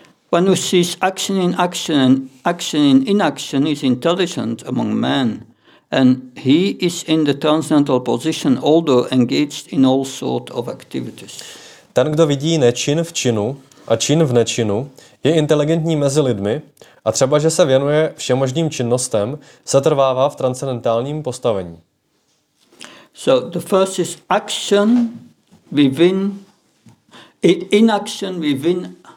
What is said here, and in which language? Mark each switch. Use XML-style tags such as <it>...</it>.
<en>One who sees action in action and action in inaction is intelligent among men, and he is in the transcendental position, although engaged in all sorts of activities.</en> <cs>Ten, kdo vidí nečin v činu a čin v nečinu, je inteligentní mezi lidmi a třeba, že se věnuje všemožným činnostem, setrvává v transcendentálním postavení.</cs> <en>So the first is action within, inaction within.</en>